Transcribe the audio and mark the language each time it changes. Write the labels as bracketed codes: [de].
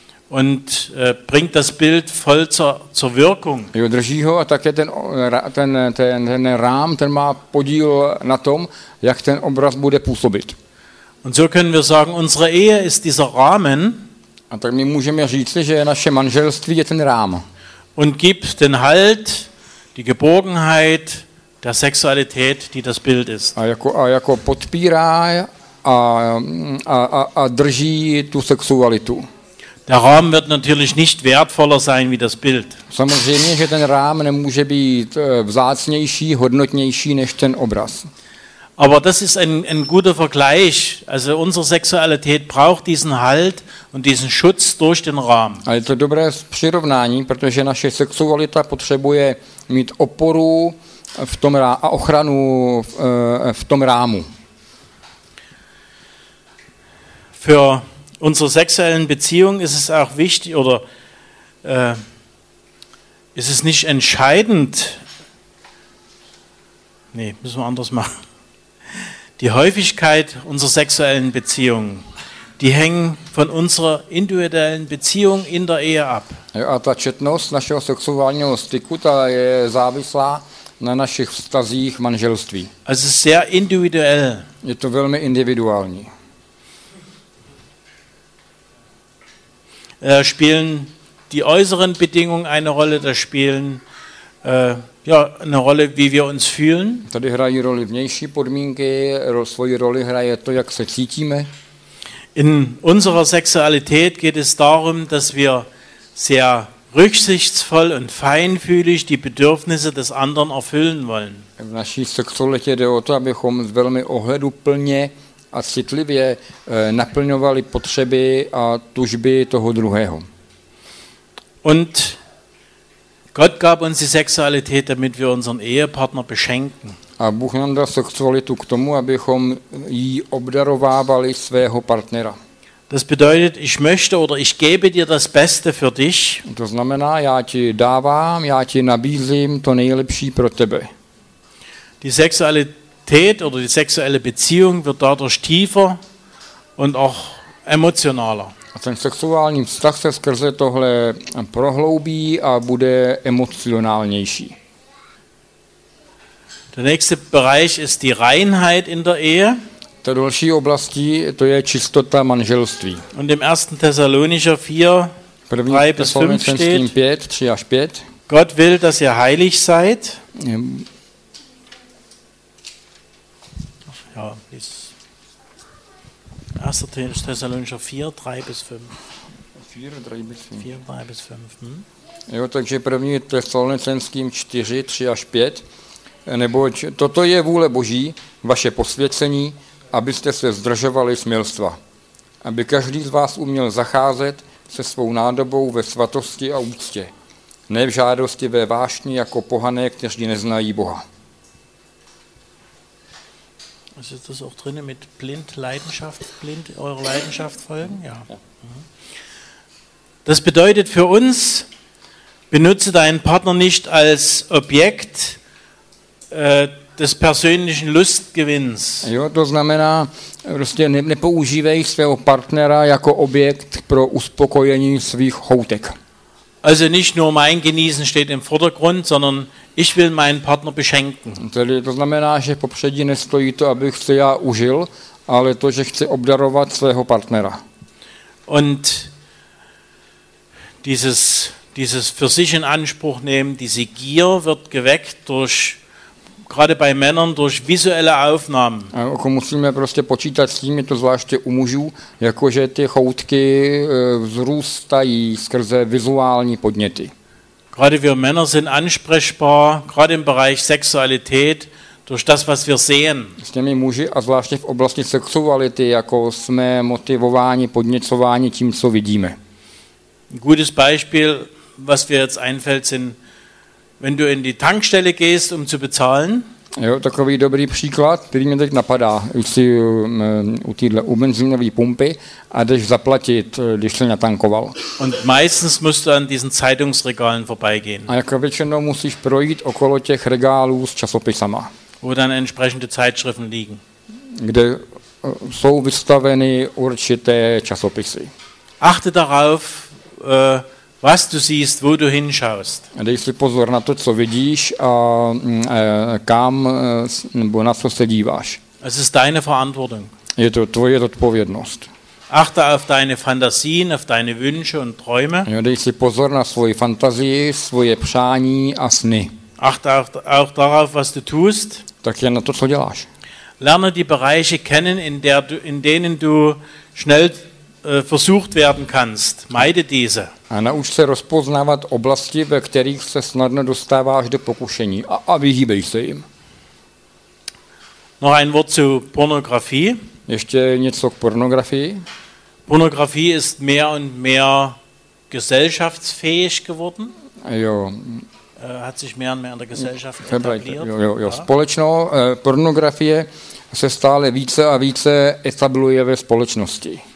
[de] Und bringt das Bild voll zur Wirkung. [cs] Jo, drží ho a také ten rám, ten má podíl na tom, jak ten obraz bude působit. [de] Und so können wir sagen, unsere Ehe ist dieser Rahmen. [cs] A tak my můžeme říct, že naše manželství je ten rám. [de] Und gibt den Halt, die Geborgenheit der Sexualität, die das Bild ist. [cs] A jako podpírá a drží tu sexualitu. [de] Der Rahmen wird natürlich nicht wertvoller sein wie das Bild. [cs] Samozřejmě, že ten rám nemůže být vzácnější, hodnotnější než ten obraz. [de] Aber das ist ein guter Vergleich. Also unsere Sexualität braucht diesen Halt und diesen Schutz durch den Rahmen. [cs] A je to dobré přirovnání, protože naše sexualita potřebuje mít oporu v tom rámu a ochranu v tom rámu. [de] Für unsere sexuellen Beziehung ist es auch wichtig oder ist es nicht entscheidend? Nee, müssen wir anders machen. Die Häufigkeit unserer sexuellen Beziehungen, die hängen von unserer individuellen Beziehung in der Ehe ab. [cs] Jo, a ta četnost našeho sexuálního styku, ta je závislá na našich vztazích manželství. [de] Also es ist sehr individuell. [cs] Je to velmi individuální. [de] Da spielen die äußeren Bedingungen eine Rolle, da spielen eine Rolle, wie wir uns fühlen. [cs] Tady hrají roli vnější podmínky, svoji roli hraje to, jak se cítíme. [de] In unserer Sexualität geht es darum, dass wir sehr rücksichtsvoll und feinfühlig die Bedürfnisse des anderen erfüllen wollen. [cs] V naší sexualitě jde o to, abychom velmi ohleduplně a citlivě naplňovali potřeby a tužby toho druhého. [de] Und Gott gab uns die Sexualität, damit wir unseren Ehepartner beschenken. [cs] A Bůh nám dal sexualitu k tomu, abychom jí obdarovávali svého partnera. [de] Das bedeutet, ich möchte oder ich gebe dir das Beste für dich. [cs] To znamená, já ti dávám, já ti nabízím to nejlepší pro tebe. [de] Die Sexualität oder die sexuelle Beziehung wird dadurch tiefer und auch emotionaler. [cs] A ten sexuální vztah se skrze tohle prohloubí a bude emocionálnější. [de] Der nächste Bereich ist die Reinheit in der Ehe. [cs] Ta další oblastí, to je čistota manželství. [de] Und im 1. Thessalonicher 4, 3 bis 5 steht, [cs] 3 až 5. [de] Gott will, dass ihr heilig seid. Ja, 1. Thessalonicher 4, 3 bis 5. 4, 3 bis 5. [cs] Jo, takže [de] 1. [cs] Thessalonickým 4, 3 až 5. Neboť toto je vůle Boží, vaše posvěcení, abyste se zdržovali smilstva. Aby každý z vás uměl zacházet se svou nádobou ve svatosti a úctě. Ne v žádosti ve vášni jako pohané, kteří neznají Boha. [de] Also ist das auch drinne mit blind eurer Leidenschaft folgen? Ja. Das bedeutet für uns, benutze deinen Partner nicht als Objekt des persönlichen Lustgewinns. [cs] Jo, to znamená, prostě nepoužívej svého partnera jako objekt pro uspokojení svých choutek. [de] Also nicht nur mein Genießen steht im Vordergrund, sondern ich will meinen Partner beschenken. [cs] Tedy to znamená, že popředí nestojí to, abych se já užil, ale to, že chci obdarovat svého partnera. [de] Und dieses für sich in Anspruch nehmen, diese Gier wird geweckt durch gerade bei Männern durch visuelle Aufnahmen. [cs] Jako musíme prostě počítat s tím, je to zvláště u mužů, jakože ty choutky vzrůstají skrze vizuální podněty. [de] Gerade wir Männer sind ansprechbar, gerade im Bereich Sexualität, durch das, was wir sehen. [cs] S těmi muži a zvláště v oblasti sexuality, jako jsme motivováni, podněcováni tím, co vidíme. [de] Gutes Beispiel, was mir jetzt einfällt, sind wenn du in die Tankstelle gehst, um zu bezahlen. [cs] Jo, takový dobrý příklad, který mě teď napadá. Když jsi u téhle u benzínové pumpy a jdeš zaplatit, když jsi natankoval. [de] Und meistens musst du an diesen Zeitungsregalen vorbeigehen. [cs] A jako většinou musíš projít okolo těch regálů s časopisama. [de] Wo dann entsprechende Zeitschriften liegen. [cs] Kde jsou vystaveny určité časopisy. [de] Achte darauf, was du siehst, wo du hinschaust. [cs] Dej si pozor na to, co vidíš a kam nebo na co se díváš. [de] Es ist deine Verantwortung. [cs] Je to tvoje odpovědnost. [de] Achte auf deine Fantasien, auf deine Wünsche und Träume. [cs] Dej si pozor na svoji fantazii, svoje přání a sny. [de] Achte auch darauf, was du tust. [cs] Tak je na to, co děláš. [de] Lerne die Bereiche kennen, in denen du schnell versucht werden kannst. Meide diese. [cs] A nauč se rozpoznávat oblasti, ve kterých se snadno dostáváš do pokušení a vyhýbej se jim. [de] Noch ein Wort zu Pornografie. [cs] Ještě něco k pornografii. [de] Pornografie ist mehr und mehr gesellschaftsfähig geworden. [cs] Jo. [de] Hat sich mehr und mehr in der Gesellschaft etabliert. [cs] Jo. Společno, pornografie se stále více a více etabluje ve společnosti.